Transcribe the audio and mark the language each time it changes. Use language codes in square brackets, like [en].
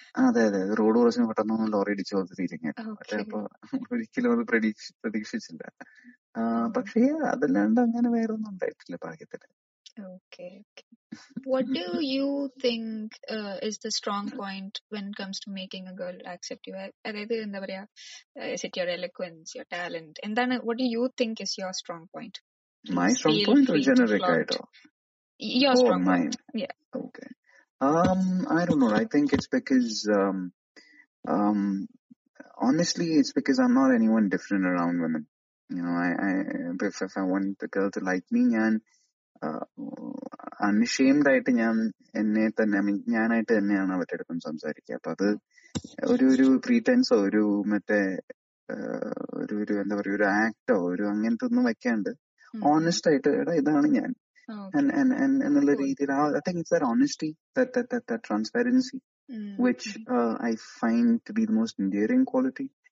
[ml] അതെ അതെ, road crossing പെട്ടെന്ന് ലോറി ഇടിച്ചു വന്നിരിക്കുന്നു. അപ്പോ ഒരിക്കലും അത് പ്രതീക്ഷിച്ചില്ല. പക്ഷേ അതല്ലാണ്ട് അങ്ങനെ വേറെ ഒന്നും ഉണ്ടായിട്ടില്ല ഭാഗ്യത്തില്. [en] What do you think is the strong point when it comes to making a girl accept you? [ml] Adhaidhu endha paraya, [en] is it your eloquence, your talent? And then what do you think is your strong point? My strong point or generic aito? Your strong point. Mine. Yeah. Okay. I don't know. I think it's because honestly, it's because I'm not anyone different around women. You know, if I want the girl to like me, and [ml] അൺഷെയിംഡ് ആയിട്ട് ഞാൻ എന്നെ തന്നെ ഞാനായിട്ട് തന്നെയാണ് അവരുടെ അടുത്തും സംസാരിക്കുക. അപ്പൊ അത് ഒരു ഒരു പ്രീറ്റൻസോ ഒരു മറ്റേ ഒരു ഒരു എന്താ പറയുക ഒരു ആക്ടോ ഒരു അങ്ങനത്തെ ഒന്നും വെക്കാണ്ട് ഓണസ്റ്റ് ആയിട്ട് എടാ ഇതാണ് ഞാൻ എന്നുള്ള രീതിയിൽ [en] I think it's the honesty the transparency which I find to be the most endearing quality.